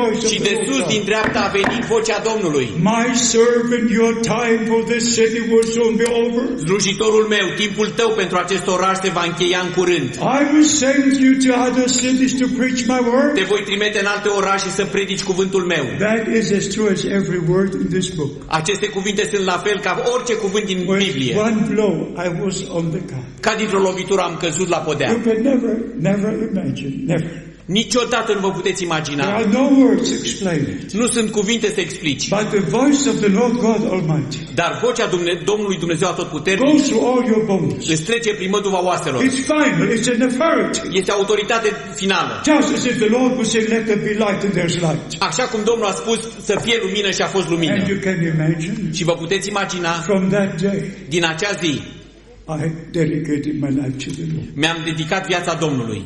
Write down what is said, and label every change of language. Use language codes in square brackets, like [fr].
[ro] Și de sus, din dreapta, a venit vocea Domnului. [en] My servant, your time for this city will soon be over. [ro] Slujitorul meu, timpul tău pentru acest oraș se va încheia în curând. [en] I will send you to other cities to preach my word. [ro] Te voi trimite în alte orașe să predici cuvântul meu. [en] That is as true as every word in this book. [ro] Aceste cuvinte sunt la fel ca orice cuvânt din Biblie. [en] With one blow, I was on the carpet. [ro] Ca dintr-o lovitură am căzut la podea. [en] You can never imagine, never. [ro] Niciodată nu vă puteți imagina. [en] There are no words to explain it. [ro] Nu sunt cuvinte să explici. [en] But the voice of the Lord God Almighty. [ro] Dar vocea Domnului Dumnezeu Atotputernic își trece prin măduva oaselor. [en] It's final. It's an authority. [ro] Este autoritate finală. [en] Just as if the Lord would say, let there be light and there's light. [ro] Așa cum Domnul a spus să fie lumină și a fost lumină. [en] And you can imagine. [ro] Și vă puteți imagina. [en] From that day. [ro] Din acea zi. [en] I dedicated my life to the Lord. [ro] Mi-am dedicat viața Domnului.